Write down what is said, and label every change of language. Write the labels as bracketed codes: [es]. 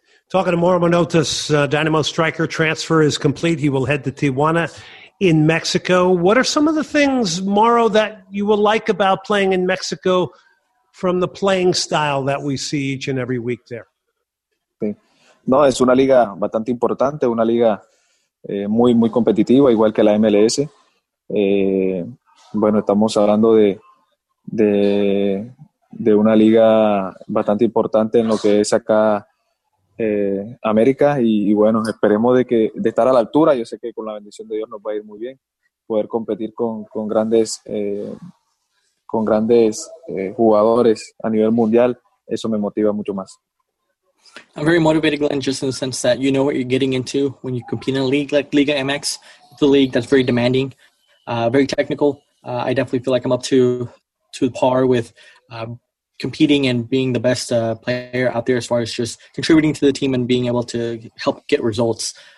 [en] Talking to Mauro Manotas, Dynamo striker transfer is complete. He will head to Tijuana in Mexico. What are some of the things, Mauro, that you will like about playing in Mexico from the playing style that we see each and every week there? [es] Sí. No, es una liga bastante importante, una liga muy, muy competitiva, igual que la MLS. Bueno, estamos hablando de, de una liga bastante importante en lo que es acá América, y bueno, esperemos de estar a la altura. Yo sé que con la bendición de Dios nos va a ir muy bien poder competir con grandes jugadores a nivel mundial. Eso me motiva mucho más. [en] I'm very motivated, Glenn, just in the sense that you know what you're getting into when you compete in a league like Liga MX. It's a league that's very demanding, very technical. I definitely feel like I'm up to par with competing and being the best player out there as far as just contributing to the team and being able to help get results.